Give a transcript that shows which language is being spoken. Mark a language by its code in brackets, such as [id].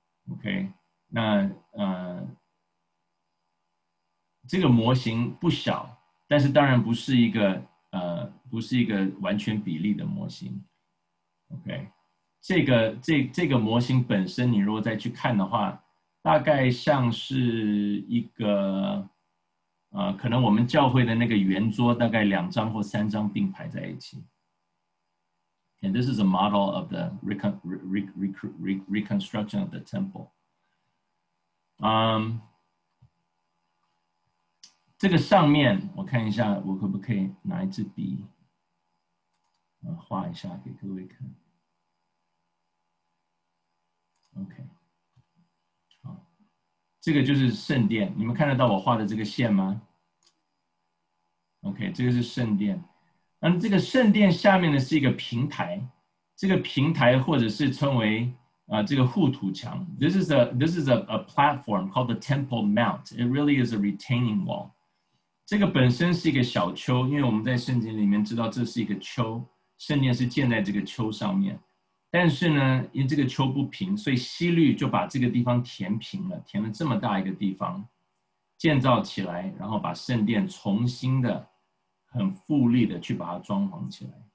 [zh] OK， 那这个模型不小，但是当然不是一个不是一个完全比例的模型。 OK， 这个模型本身，你如果再去看的话，大概像是一个可能我们教会的那个圆桌，大概2张或3张并排在一起。 [en] And this is a model of the reconstruction of the temple. [zh] 这个上面我看一下，我可不可以拿一支笔画一下给各位看。 OK， 好，这个就是圣殿，你们看得到我画的这个线吗 ？OK， 这个是圣殿。那这个圣殿下面呢是一个平台，这个平台或者是称为这个护土墙。 [en] This is a platform called the Temple Mount. It really is a retaining wall. [zh] 这个本身是一个小丘，因为我们在圣经里面知道这是一个丘，圣殿是建在这个丘上面。但是呢，因为这个丘不平，所以希律就把这个地方填平了，填了这么大一个地方，建造起来，然后把圣殿重新的、很富丽的去把它装潢起来。